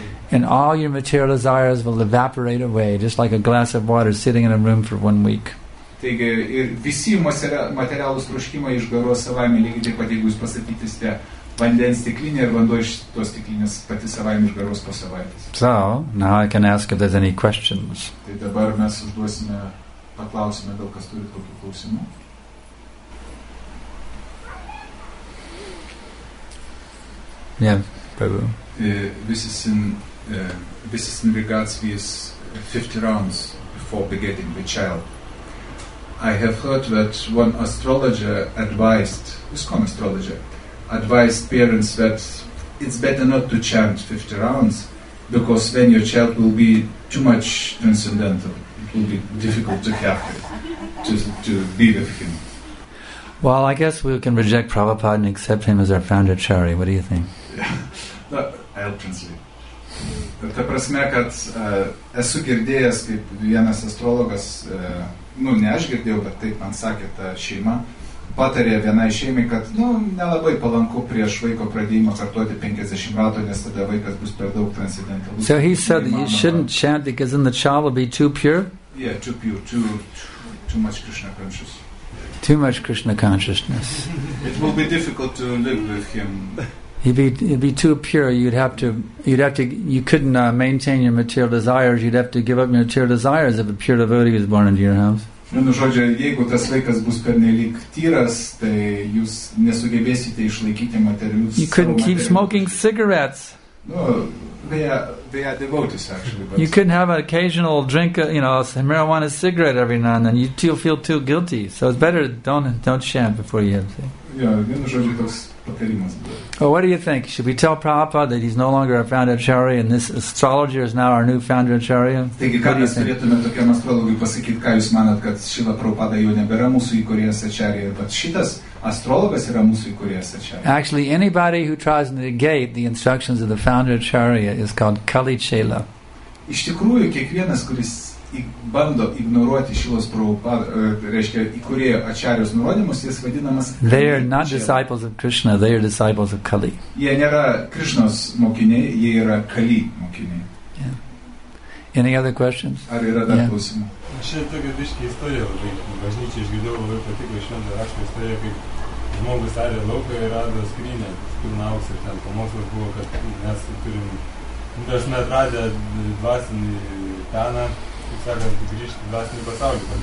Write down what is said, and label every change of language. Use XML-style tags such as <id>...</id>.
<en>And all your material desires will evaporate away, just like a glass of water sitting in a room for 1 week.</en> <lt>Taigi, ir visi materialūs troškimai išgaruo savaime, lygiai taip pat, jeigu jūs pasakytysite vandens stiklinė ir vanduo iš tos stiklinės pati savaime išgaruos po savaitės.</lt> <en>So, now I can ask if there's any questions.</en> <lt>Tai dabar mes užduosime, paklausime, gal kas turi kokių klausimų.</lt> <en>Yeah, Prabhu. This is in regards with 50 rounds before begetting the child. I have heard that one astrologer advised parents that it's better not to chant 50 rounds because then your child will be too much transcendental. It will be difficult to have to be with him. Well, I guess we can reject Prabhupada and accept him as our founder, Chari. What do you think? No, I'll translate.</en> <lt>Ta prasme, kad esu girdėjęs, kaip vienas astrologas, nu, ne aš girdėjau, bet taip man sakė ta šeima, patarė vienai šeimai, kad nu, nelabai palanku prieš vaiko pradėjimo kartuoti 50 metų, nes tada vaikas bus per daug transcendental.</lt> <en>So he said that you shouldn't chant because then the child will be too pure? Yeah, too pure, too much Krishna conscious. Too much Krishna consciousness. It will be difficult to live with him. He'd be too pure. You couldn't maintain your material desires. You'd have to give up your material desires if a pure devotee was born into your house.</en> <lt>Vienu žodžiu, jeigu tas vaikas bus pernelyg tyras, tai jūs nesugebėsite išlaikyti materialius.</lt> <en>You couldn't keep smoking cigarettes. No, they are devotees actually. You couldn't have an occasional drink, a marijuana cigarette every now and then. You'd feel too guilty. So it's better don't chant before you have to.</en> <lt>Yeah, vienu žodžiu, toks.</lt> <en>Well, what do you think? Should we tell Prabhupada that he's no longer a founder acharya and this astrologer is now our new founder acharya?</en> <lt>Taigi,</lt> <en>what do you think?</en> <lt>astrologas yra mūsų įkūrėjas Acharya.</lt> <en>Actually, anybody who tries to negate the instructions of the founder Acharya is called Kali Chela.</en> <lt>Iš tikrųjų, kiekvienas, kuris bando ignoruoti Šilos Prabhupada, reiškia įkūrėjo Acharyos nurodymus, jis vadinamas Kali.</lt> <en>They are not disciples of Krishna, they are disciples of Kali.</en> <lt>Jie nėra Krishnos mokiniai, jie yra Kali mokiniai.</lt> <en>Any other questions?</en> <lt>Ar yra dar klausimų? Šiaip tokia biškį istorija labai. Bažnyčiai išgirdau labai patiko šventą raštą istoriją, kaip žmogus arė lauką ir rado skrynę, skurnaus ir ten pamokslas buvo, kad mes turim, mes atradę dvasinį peną, kaip sakant, grįžti dvasinį pasaulį.</lt>